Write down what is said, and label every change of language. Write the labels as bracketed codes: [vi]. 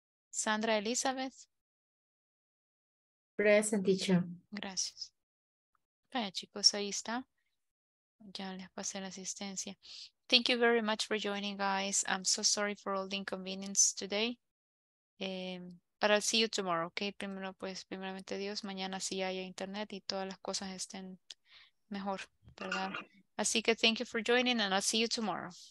[en] Sandra Elizabeth. Present, teacher. [es] Gracias. Vaya, chicos, ahí está. Ya les pasé la asistencia. [en] Thank you very much for joining, guys. I'm so sorry for all the inconvenience today. But I'll see you tomorrow, okay? [es] Primero, pues, primeramente Dios, mañana sí haya internet y todas las cosas estén mejor, ¿verdad? Así que [en] thank you for joining and I'll see you tomorrow.